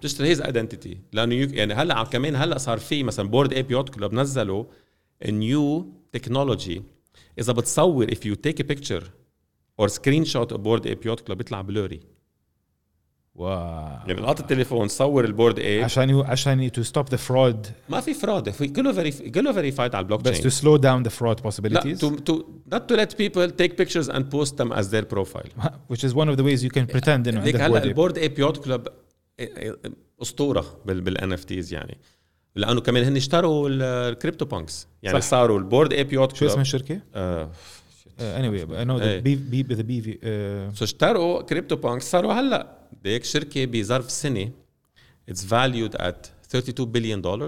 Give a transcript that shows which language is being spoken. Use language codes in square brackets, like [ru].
[ar] تشتري [en] his identity [ar] لأنه يعني هلا كمان هلا صار فيه مثلا [en] board ape yacht club [ar] نزلوا [en] a new technology [ar] إذا بتصور [en] if you take a picture or screenshot a board ape yacht club [ar] بيطلع [en] blurry واو [ar] يعني قطع التليفون صور البورد ايه عشان [en] to stop the fraud [ar] ما في fraud كله verified على البلوك تشين بس [en] to slow down the fraud possibilities not to let people take pictures and post them as their profile which is one of the ways you can pretend in the board ape [ar] البورد ايه بيوت كلوب أسطورة بالNFTs يعني لأنه كمان هن اشتروا الكريبتو بانكس يعني صح. صاروا البورد ايه بيوت كلوب شو اسم الشركة؟ [en] anyway I know the BV [ar] so اشتروا كريبتو بانكس صاروا هلأ ديك شركة بظرف سنة [en] it's valued at $32 billion